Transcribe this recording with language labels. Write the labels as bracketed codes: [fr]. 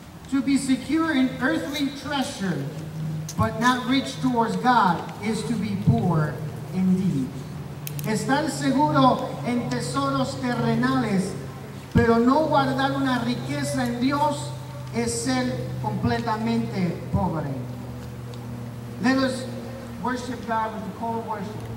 [en] To be secure in earthly treasure, but not rich towards God, is to be poor indeed. [es] Estar seguro en tesoros terrenales, pero no guardar una riqueza en Dios, es ser completamente pobre. [en] Let us worship God with the call of worship.